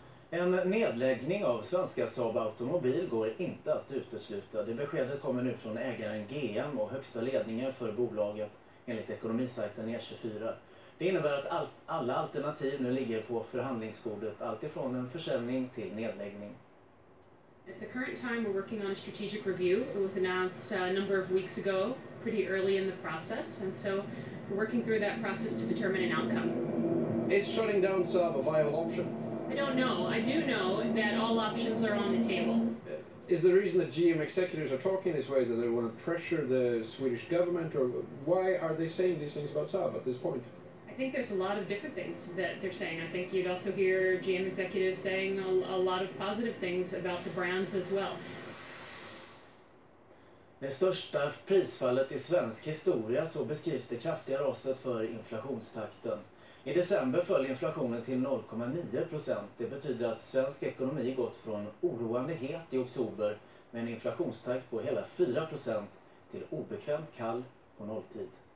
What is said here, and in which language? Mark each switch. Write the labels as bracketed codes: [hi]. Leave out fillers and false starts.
[sv] En nedläggning av svenska Saab Automobil går inte att utesluta. Det beskedet kommer nu från ägaren GM och högsta ledningen för bolaget enligt ekonomisajten E24. Det innebär att alla alternativ nu ligger på förhandlingsbordet, alltifrån en försäljning till nedläggning. [en] At the current time, we're working on a strategic review. It was announced a number of weeks ago, pretty early in the process, and so we're working through that process to determine an outcome. Is shutting down Saab a viable option? I don't know. I do know that all options are on the table. Is the reason that GM executives are talking this way that they want to pressure the Swedish government, or why are they saying these things about Saab at this point? I think there's a lot of different things that they're saying. I think you'd also hear GM executives saying a lot of positive things about the brands as well. [sv] Det största prisfallet i svensk historia, så beskrivs det kraftiga raset för inflationstakten. I december föll inflationen till 0,9%. Det betyder att svensk ekonomi gått från oroande het i oktober med en inflationstakt på hela 4% till obekvämt kall på nolltid.